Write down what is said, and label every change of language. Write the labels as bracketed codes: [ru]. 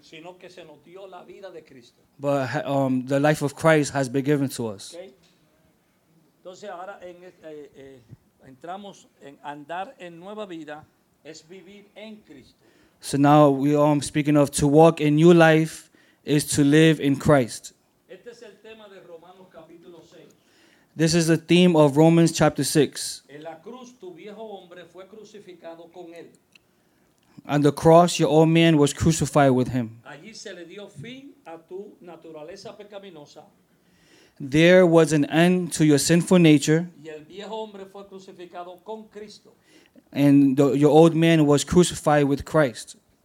[es] sino que se nos dio la vida de Cristo. [en] But the life of Christ has been given to us. [es] Entonces ahora entramos en andar en nueva vida es vivir en Cristo. [en] So now we are speaking of to walk in new life is to live in Christ. [es] Este es el tema de Romanos capítulo 6. [en] This is the theme of Romans chapter 6. [es] En la cruz tu viejo hombre fue crucificado con él. [en] On the cross, your old man was crucified with him. [es] Allí se le dio fin a tu naturaleza pecaminosa. [en] There was an end to your sinful nature. [es] Y el viejo hombre fue crucificado con Cristo. [en] And your old man was crucified with Christ.